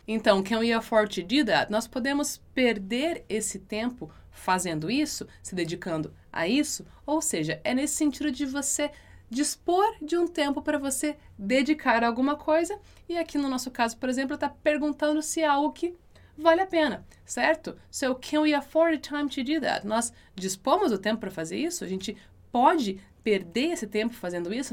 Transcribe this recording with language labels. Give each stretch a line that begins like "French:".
Portuguese: Então,
English: can we afford to do that?
Portuguese: Nós podemos perder esse tempo fazendo isso, se dedicando a isso? Ou seja, é nesse sentido de você dispor de um tempo para você dedicar a alguma coisa. E aqui no nosso caso, por exemplo, está perguntando se é algo que vale a pena, certo?
English: So, can we afford the time to do that?
Portuguese: Nós dispomos do tempo para fazer isso? A gente pode perder esse tempo fazendo isso?